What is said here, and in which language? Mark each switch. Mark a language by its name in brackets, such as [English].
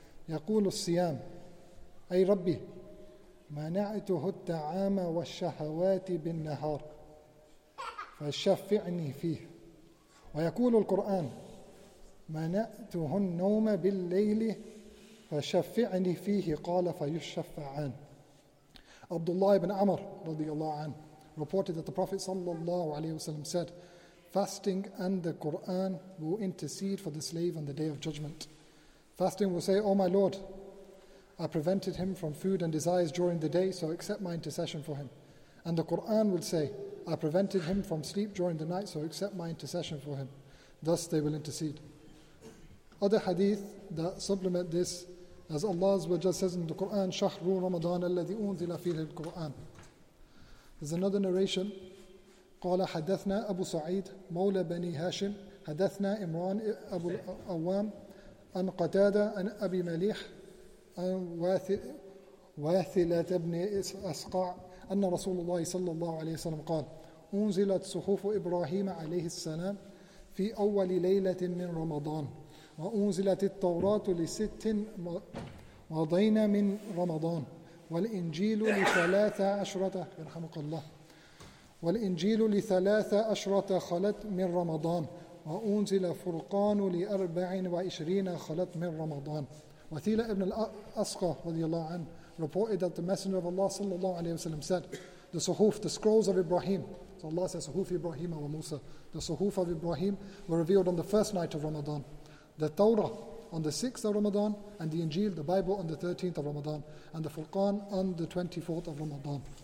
[Arabic] يقول الصيام: أي ربي منعته الطعام والشهوات بالنهار فشفعني فيه. ويقول القرآن: منأته النوم بالليل فشفعني فيه قال فيشفعان. [English] Abdullah ibn Amr radiallahu anh reported that the Prophet sallallahu alayhi wasallam said, fasting and the Quran will intercede for the slave on the day of judgment. Fasting will say, O my Lord, I prevented him from food and desires during the day, so accept my intercession for him. And the Quran will say, I prevented him from sleep during the night, so accept my intercession for him. Thus they will intercede. Other hadith that supplement this, as Allah says in the Quran, [Arabic] شَهْرُ رَمَضَانَ الَّذِي أُنْزِلَ فِيهِ الْقُرْآنِ. [English] There's another narration. [Arabic] قَالَ حَدَّثْنَا أَبُو سَعِيدٍ مَوْلَى بَنِي هَاشِمٍ حَدَّثْنَا إِمْرَانِ أَبُو الْأَوَّامِ أَنْ قَتَادَ أَنْ أَبِي مَلِيحٍ أَنْ وَاثِلَةَ ابْنِ أَسْقَعَ أَنَّ رَسُولَ اللَّهِ صَلَّى اللَّهُ عَلَيْهِ وَسَلَّمَ قَالَ أُنْزِلَتْ صُحُوفُ إِبْرَاهِيمَ عَلَيْهِ السَّلَامُ فِي أَوَّلِ لَيْلَةٍ مِنْ رَمَضَانَ وأنزلت التوراة لست مضين من رمضان والإنجيل لثلاثة عشرة يرحمك الله والإنجيل لثلاثة عشرة خلت من رمضان وأنزل فرقان لأربع وعشرين خلت من رمضان. [English] وثيلة ابن الأسقى [Arabic] رضي الله عنه [English] reported that the Messenger of Allah [Arabic] صلى الله عليه وسلم [English] said, the Suhoof, the scrolls of Ibrahim. So Allah says, Suhoof Ibrahim wa Musa. The Suhoof of Ibrahim were revealed on the first night of Ramadan. The Torah on the 6th of Ramadan, and the Injil, the Bible, on the 13th of Ramadan, and the Furqan on the 24th of Ramadan.